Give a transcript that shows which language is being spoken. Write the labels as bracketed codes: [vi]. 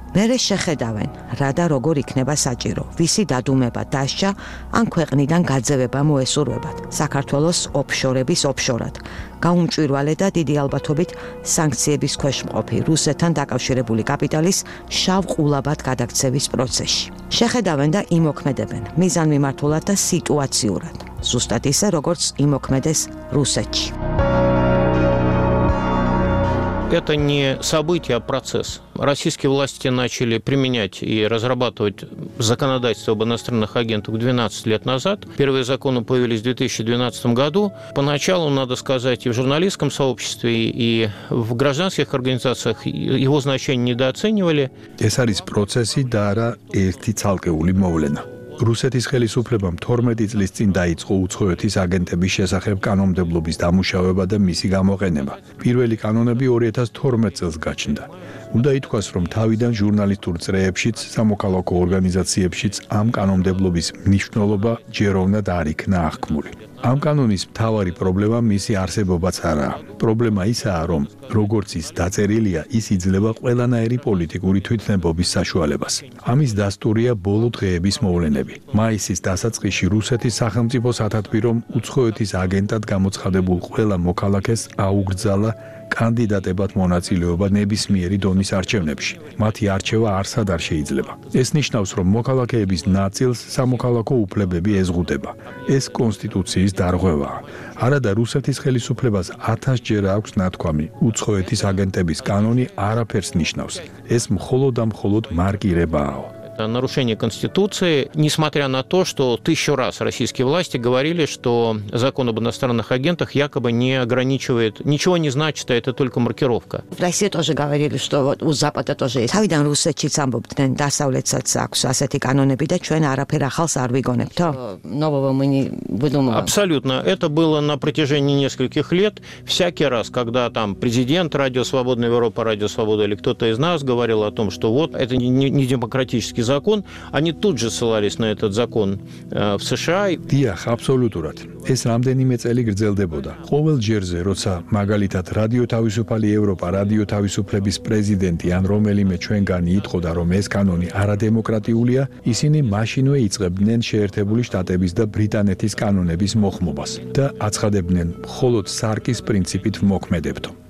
[ka] მერე შეხედავენ, რა და როგორ იქნება საჭირო, ვისი დადუმება დასჯა, ან ქვეყნიდან გაძევება მოესურვებად, საქართველოს ოფშორების ოფშორად, გაუმჭვირვალე და დიდი ალბათობით სანქციების ქვეშ მყოფი რუსეთთან დაკავშირებული კაპიტალის შავ ყულაბად გადაქცევის პროცესში. შეხედავენ და იმოქმედებენ, მიზანმიმართულად და სიტუაციურად. ზუსტად ისე, როგორც იმოქმედეს რუსეთში. [ru] Это не событие, а процесс. Российские власти начали применять и разрабатывать законодательство об иностранных агентах 12 лет назад. Первые законы появились в 2012 году. Поначалу, надо сказать, и в журналистском сообществе, и в гражданских организациях его значение недооценивали. Это процесс, да, это [ka] цалкеули мовлена. რუსეთის ხელისუფლებამ 12 წლის წინ დაიწყო უცხოეთის აგენტების შესახებ კანონმდებლობის დამუშავება და მისი გამოყენება. პირველი კანონები 2012 წელს გაჩნდა. უნდა ითქვას, რომ თავიდან ჟურნალისტურ წრეებშიც, სამოქალაქო ორგანიზაციებშიც ამ კანონმდებლობის მნიშვნელობა ჯეროვნად არ იქნა აღქმული. ამ კანონის მთავარი პრობლემა მისი არსებობაც არაა. პრობლემა ისაა, რომ როგორც ის დაწერილია, ის იძლევა ყველანაირი პოლიტიკური თვითნებობის საშუალებას. ამის დასტურია ბოლო დღეების მოვლენები. მაისის დასაწყისში რუსეთის სახელმწიფო სათათბირომ უცხოეთის აგენტად გამოცხადებულ ყველა მოქალაქეს აუგრძალა კანდიდატებად მონაწილეობა ნებისმიერი დონის არჩევნებში. მათი არჩევა არსად არ შეიძლება. ეს ნიშნავს, რომ მოქალაქეების ნაწილს სამოქალაქო უფლებები ეზღუდება. ეს კონსტიტუციის დარღვევაა. არადა რუსეთის ხელისუფლებას 1000ჯერ აქვს ნათქვამი, უცხოეთის აგენტების კანონი არაფერს ნიშნავს. ეს მხოლოდ და მხოლოდ მარკირებაა. [ru] Это нарушение Конституции, несмотря на то, что 1000 раз российские власти говорили, что закон об иностранных агентах якобы не ограничивает, ничего не значит, а это только маркировка. В России тоже говорили, что вот у Запада тоже есть. [ka] Тавидан русечиц амбобтен, дасавлецац акс, асети канонები და ჩვენ არაფერ ახალს არ ვიგონებთ. [ru] Нового мы не выдумываем. Абсолютно, это было на протяжении нескольких лет, всякий раз, когда там президент Радио Свободной Европы, Радио Свобода или кто-то из нас говорил о том, что вот это не демократический закон, они тут же ссылались на этот закон в США. [ka] Диах, абсолютно. Ეს რამდენიმე წელი გრძელდებოდა. ყოველ ჯერზე, როცა მაგალითად რადიო თავისუფალი ევროპა, რადიო თავისუფლების პრეზიდენტი ან რომელიმე ჩვენგანი ითხოვდა, რომ ეს კანონი არადემოკრატიულია, ისინი მაშინვე იწყებდნენ შეერთებული შტატების და ბრიტანეთის კანონების მოხმობას და აცხადებდნენ მხოლოდ სარკის პრინციპით მოქმედებდო.